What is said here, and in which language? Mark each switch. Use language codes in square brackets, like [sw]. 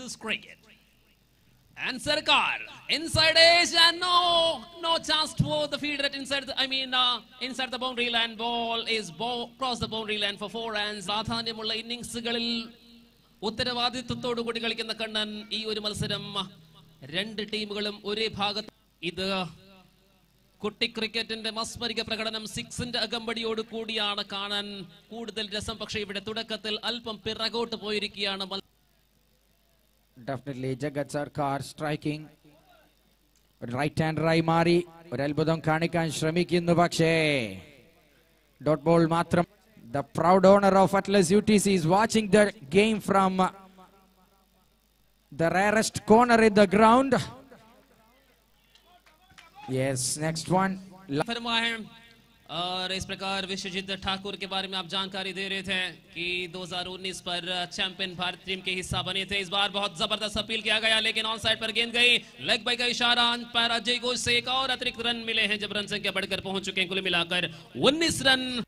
[en] is cricket and सरकार inside edge and no no chance for the fielder at inside I mean inside the boundary line ball is cross the boundary line for 4 runs [ml] प्राधान्यमुള്ള ഇന്നിംഗ്സുകളിൽ ഉത്തരവാദിത്വത്തോടു കൂടി കളിക്കുന്ന കണ്ണൻ ഈ ഒരു മത്സരം രണ്ട് ടീമുകളും ഒരേ ഭാഗത്ത് ഇത് കുട്ടി ക്രിക്കറ്റിന്റെ മസ്മരിക പ്രകടനം സിക്സിന്റെ അകമ്പടിയോട് കൂടിയാണ് കാണാൻ കൂടുതൽ രസം. പക്ഷേ ഇവിടെ തുടക്കത്തിൽ അല്പം പിറകോട്ട് പോയിരിക്കുകയാണ്. ഡെഫിനറ്റ്ലി ജഗത് സർക്കാർ സ്ട്രൈക്കിംഗ് ഒരു റൈറ്റ് ഹാൻഡറായി മാറി ഒരു അത്ഭുതം കാണിക്കാൻ ശ്രമിക്കുന്നു. പക്ഷേ ഡോട്ട് ബോൾ മാത്രം. [en] The proud owner of Atlas U T C is watching the game from the rarest corner in the ground. Yes, next one. [hi] फरमाएं और इस प्रकार विश्वजीत ठाकुर के बारे में आप जानकारी दे रहे थे कि 2019 पर चैंपियन भारत टीम के हिस्सा बने थे. इस बार बहुत जबरदस्त अपील किया गया लेकिन ऑन साइड पर गेंद गई. लेग बाई का इशारा पर अजय घोष से एक और अतिरिक्त रन मिले हैं जब रन संख्या बढ़कर पहुंच चुके हैं कुल मिलाकर 19 रन.